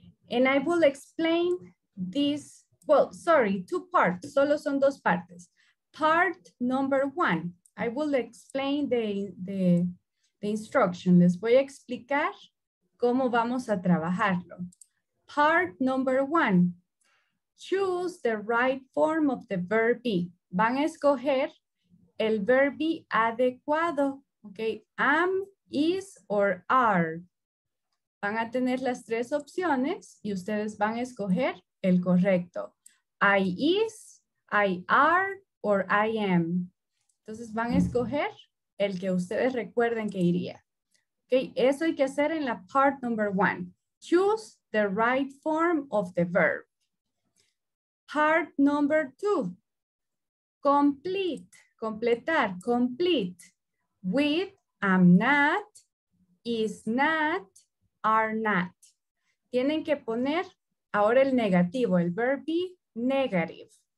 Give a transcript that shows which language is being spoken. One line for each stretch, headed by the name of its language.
English: And I will explain this. Well, sorry, 2 parts.
Spanish: Solo son 2 partes.
English: Part number 1. I will explain the instruction.
Spanish: Les voy a explicar cómo vamos a trabajarlo.
English: Part number 1. Choose the right form of the verb be.
Spanish: Van a escoger el verb be adecuado.
English: Okay, am, is, or are.
Spanish: Van a tener las 3 opciones y ustedes van a escoger el correcto.
English: I is, I are, or I am.
Spanish: Entonces van a escoger el que ustedes recuerden que iría. Okay, eso hay que hacer en la
English: part number 1. Choose the right form of the verb. Part number 2, complete with am not, is not, are not.
Spanish: Tienen que poner ahora el negativo, el verb be negative.